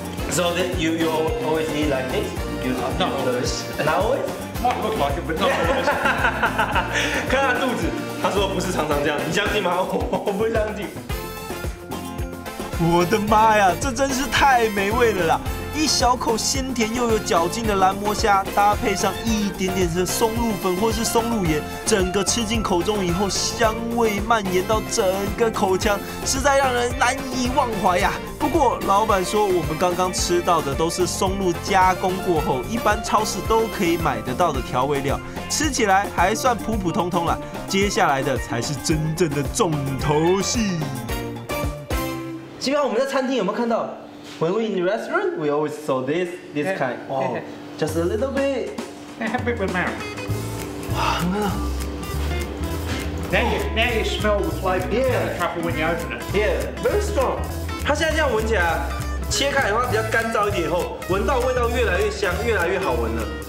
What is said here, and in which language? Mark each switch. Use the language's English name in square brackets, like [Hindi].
[English] So that you always eat like this? You not always. And always? Might look like it, but not always. [Chinese] 看他肚子，他说不是常常这样，你相信吗？我不相信。我的妈呀，这真是太美味了啦！一小口鲜甜又有嚼劲的蓝魔虾，搭配上一点点的松露粉或是松露盐，整个吃进口中以后，香味蔓延到整个口腔，实在让人难以忘怀呀。不过老板说，我们刚刚吃到的都是松露加工过后，一般超市都可以买得到的调味料，吃起来还算普普通通啦。接下来的才是真正的重头戏。基本上我们在餐厅有没有看到？ [English] When we in the restaurant, we always saw this kind. Oh, just a little bit. Happy with marinara. Wow, look. Now you smell the flavor of the truffle when you open it. Yeah, very strong. [Chinese] 它现在这样闻起来，切开的话比较干燥一点后，闻到味道越来越香，越来越好闻了。